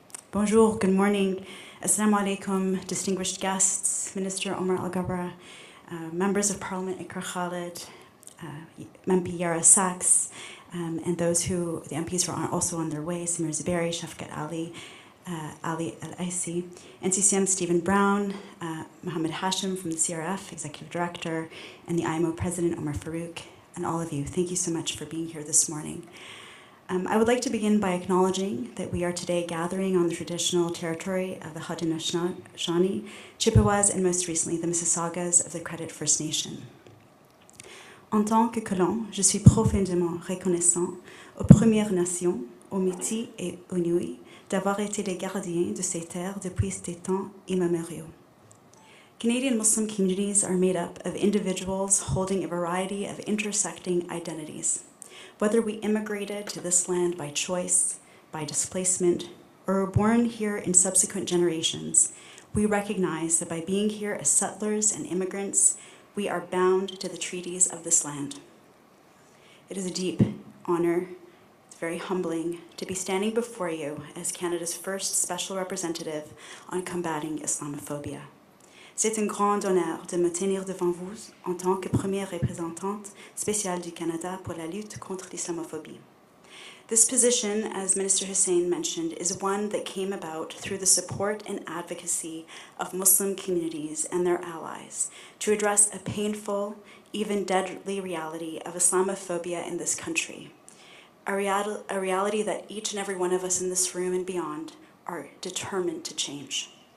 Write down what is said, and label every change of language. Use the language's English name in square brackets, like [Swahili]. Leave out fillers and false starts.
[English] Bonjour, good morning, assalamu alaikum, distinguished guests, Minister Omar Alghabra, members of Parliament Iqra Khlaid, MP Yara Sachs, and those who, the MPs who are also on their way, Samir Zuberi, Shafqat Ali, Ali Al-Aisi, NCCM Stephen Brown, Mohammed Hashim from the CRF, Executive Director, and the IMO President Omar Farouk, and all of you. Thank you so much for being here this morning. I would like to begin by acknowledging that we are today gathering on the traditional territory of the Haudenosaunee, Chippewas, and most recently the Mississaugas of the Credit First Nation. [French] En tant que colon, je suis profondément reconnaissant aux Premières Nations, aux Métis et aux Nui, d'avoir été les gardiens de ces terres depuis des temps immémoriaux. [English] Canadian Muslim communities are made up of individuals holding a variety of intersecting identities. Whether we immigrated to this land by choice, by displacement, or were born here in subsequent generations, we recognize that by being here as settlers and immigrants, we are bound to the treaties of this land. It is a deep honor, very humbling, to be standing before you as Canada's first special representative on combating Islamophobia. [French] C'est un grand honneur de me tenir devant vous en tant que première représentante spéciale du Canada pour la lutte contre l'islamophobie. [English] This position, as Minister Hussein mentioned, is one that came about through the support and advocacy of Muslim communities and their allies to address a painful, even deadly reality of Islamophobia in this country. A reality that each and every one of us in this room and beyond are determined to change.